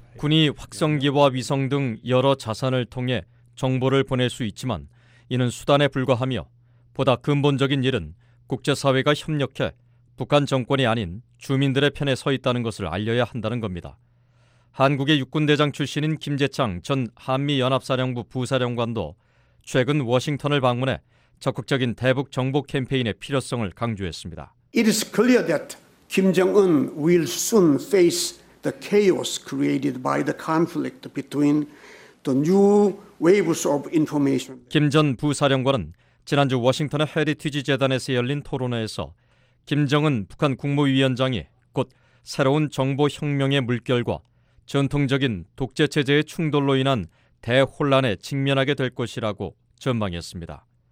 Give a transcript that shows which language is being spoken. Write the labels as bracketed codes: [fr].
[ko] 군이 확성기와 위성 등 여러 자산을 통해 정보를 보낼 수 있지만 이는 수단에 불과하며 보다 근본적인 일은 국제사회가 협력해 북한 정권이 아닌 주민들의 편에 서 있다는 것을 알려야 한다는 겁니다. 한국의 육군대장 출신인 김재창 전 한미연합사령부 부사령관도 최근 워싱턴을 방문해 적극적인 대북 정보 캠페인의 필요성을 강조했습니다. [en] It is clear that Kim Jong-un will soon face the chaos created by the conflict between the new waves of information. [ko] 김 전 부사령관은 지난주 워싱턴의 헤리티지 재단에서 열린 토론회에서 김정은 북한 국무위원장이 곧 새로운 정보 혁명의 물결과 전통적인 독재 체제의 충돌로 인한 대혼란에 직면하게 될 것이라고 전망했습니다.